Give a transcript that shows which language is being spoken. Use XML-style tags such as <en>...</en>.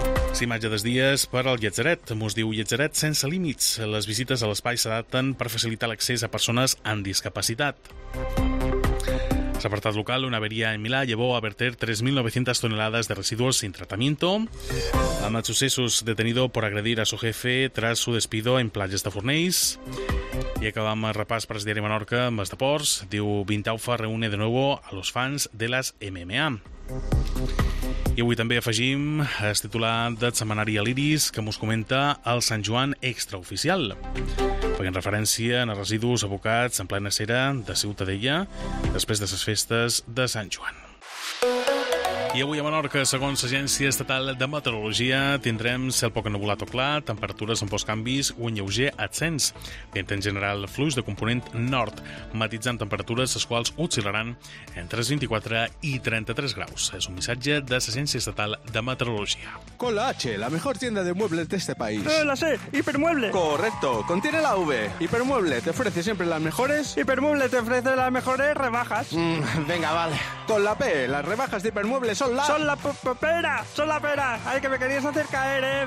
<ca>S'imatge dels dies per al Lletzeret. Mos diu Lletzeret sense límits. Les visites a l'espai s'adapten per facilitar l'accés a persones amb discapacitat. S'apartat local,</ca> <es>una avería en Milà llevó a verter 3.900 toneladas de residuos sin tratamiento.</es> <ca>Amb els</ca> <es>sucesos, detenido por agredir a su jefe tras su despido en Platges de Fornells.</es> <ca>I acabam el repàs per el Diari Menorca amb els deports.</ca> <es>Diu Vintaufa reúne de nuevo a los fans de las MMA.</es> <ca>I avui també afegim el titular del setmanari Aliris, que mos comenta el Sant Joan extraoficial. Feien referència en els residus abocats en plena cera de Ciutadella després de les festes de Sant Joan. I avui a Menorca, segons l'Agència Estatal de Meteorologia, tindrem cel poc ennuvolat o clar, temperatures amb pocs canvis o un lleuger ascens. Tindrem en general flux de component nord, matitzant temperatures les quals oscil·laran entre els 24 i 33 graus. És un missatge de l'Agència Estatal de Meteorologia.</ca> <es>Con la H, la mejor tienda de muebles de este país. La C, Hipermueble. Correcto, contiene la V. Hipermueble te ofrece siempre las mejores... Hipermueble te ofrece las mejores rebajas. Venga, vale. Con la P, las rebajas de Hipermueble Son la pera. Ay, que me querías hacer caer, ¿eh?</es>